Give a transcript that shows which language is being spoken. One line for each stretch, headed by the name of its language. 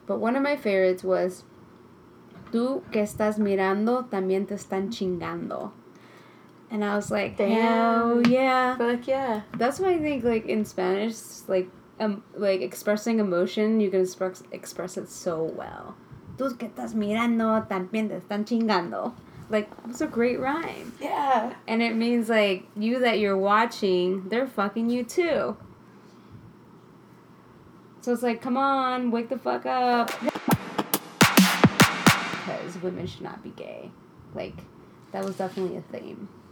English: But one of my favorites was,
Spanish: "Tú que estás mirando, también te están chingando."
English: And I was like, damn. Hell yeah. Fuck yeah. That's what I think, like, in Spanish, like expressing emotion, you can express it so well.
Spanish: Tú que estás mirando, también te están chingando.
English: Like, it's a great rhyme. Yeah. And it means, like, you that you're watching, they're fucking you too. So it's like, come on, wake the fuck up. Because women should not be gay. Like, that was definitely a theme.